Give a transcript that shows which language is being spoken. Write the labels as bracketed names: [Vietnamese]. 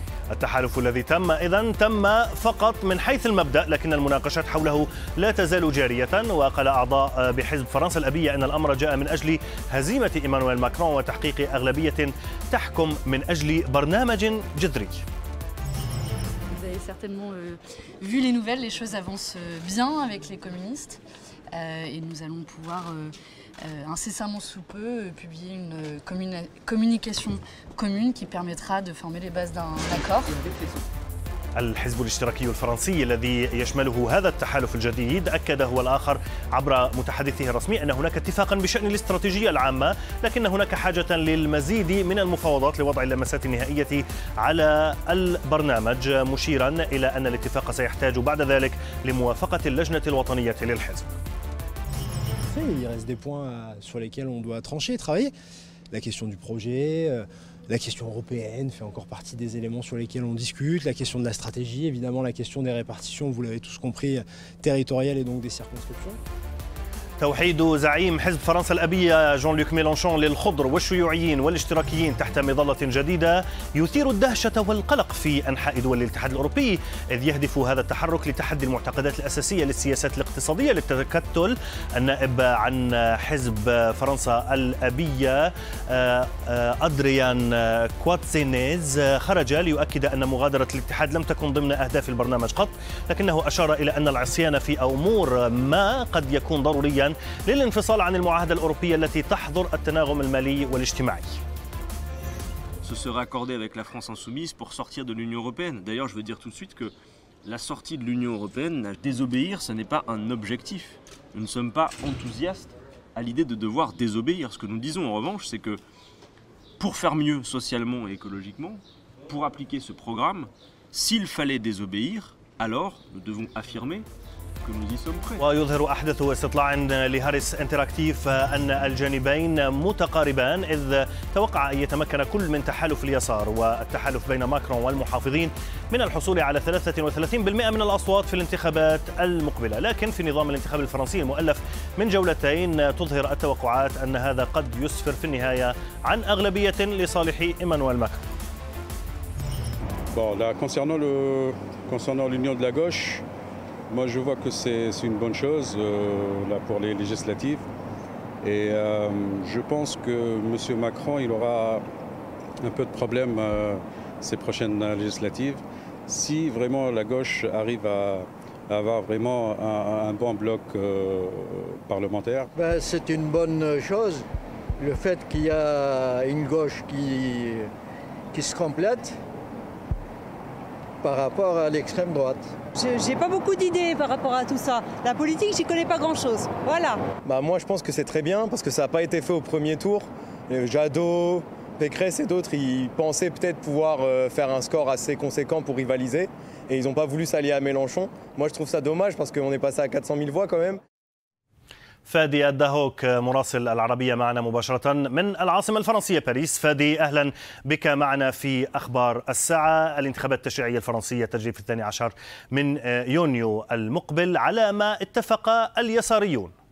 [Arabic] التحالف الذي تم إذن تم فقط من حيث المبدأ، لكن المناقشات حوله لا تزال جارية. وقال أعضاء بحزب فرنسا الأبية أن الأمر جاء من أجل هزيمة إيمانويل ماكرون وتحقيق أغلبية تحكم من أجل برنامج جذري. [French] Vous avez certainement vu les nouvelles, les choses avancent bien avec les communistes et nous allons pouvoir incessamment sous peu publier une communication commune qui permettra de former les bases d'un accord. [Arabic] الحزب الاشتراكي الفرنسي الذي يشمله هذا التحالف الجديد أكد هو الآخر عبر متحدثه الرسمي أن هناك اتفاقا بشأن الاستراتيجية العامة، لكن هناك حاجة للمزيد من المفاوضات لوضع اللمسات النهائية على البرنامج، مشيرا إلى أن الاتفاق سيحتاج بعد ذلك لموافقة اللجنة الوطنية للحزب. [French] Il reste des points sur lesquels on doit trancher, travailler. La question du projet, la question européenne fait encore partie des éléments sur lesquels on discute. La question de la stratégie, évidemment, la question des répartitions, vous l'avez tous compris, territoriales et donc des circonscriptions. [Arabic] توحيد زعيم حزب فرنسا الأبية جون لوك ميلانشون للخضر والشيوعيين والاشتراكيين تحت مظلة جديدة يثير الدهشة والقلق في أنحاء دول الاتحاد الأوروبي، إذ يهدف هذا التحرك لتحدي المعتقدات الأساسية للسياسات الاقتصادية للتكتل. النائب عن حزب فرنسا الأبية أدريان كواتسينيز خرج ليؤكد أن مغادرة الاتحاد لم تكن ضمن أهداف البرنامج قط، لكنه أشار إلى أن العصيان في أمور ما قد يكون ضروري للانفصال عن المعاهدة الأوروبية التي تحظر التناغم المالي والاجتماعي. [French] Ce sera accordé avec la France insoumise pour sortir de l'Union européenne. D'ailleurs, je veux dire tout de suite que la sortie de l'Union européenne, désobéir, ce n'est pas un objectif. Nous ne sommes pas enthousiastes à l'idée de devoir désobéir. Ce que nous disons en revanche, c'est que pour faire mieux socialement et écologiquement, pour appliquer ce programme, s'il fallait désobéir, alors nous devons affirmer. [Arabic] ويظهر أحدث استطلاع لهاريس انتراكتيف أن الجانبين متقاربان، إذ توقع أن يتمكن كل من تحالف اليسار والتحالف بين ماكرون والمحافظين من الحصول على 33% من الأصوات في الانتخابات المقبلة. لكن في نظام الانتخاب الفرنسي المؤلف من جولتين تظهر التوقعات أن هذا قد يسفر في النهاية عن أغلبية لصالح إيمانويل ماكرون. [French] concernant l'union de la gauche. Moi, je vois que c'est une bonne chose là pour les législatives, et je pense que Monsieur Macron, il aura un peu de problèmes ces prochaines législatives si vraiment la gauche arrive à avoir vraiment un bon bloc parlementaire. Ben, c'est une bonne chose, le fait qu'il y a une gauche qui se complète par rapport à l'extrême droite. J'ai pas beaucoup d'idées par rapport à tout ça. La politique, j'y connais pas grand-chose. Voilà. Bah moi, je pense que c'est très bien parce que ça n'a pas été fait au premier tour. Jadot, Pécresse et d'autres, ils pensaient peut-être pouvoir faire un score assez conséquent pour rivaliser. Et ils n'ont pas voulu s'allier à Mélenchon. Moi, je trouve ça dommage parce qu'on est passé à 400 000 voix quand même. [Arabic] فادي الدهوك مراسل العربية معنا مباشرة من العاصمة الفرنسية باريس. فادي، أهلا بك معنا في أخبار الساعة. الانتخابات التشريعية الفرنسية تجري في 12 من يونيو المقبل على ما اتفق اليساريون.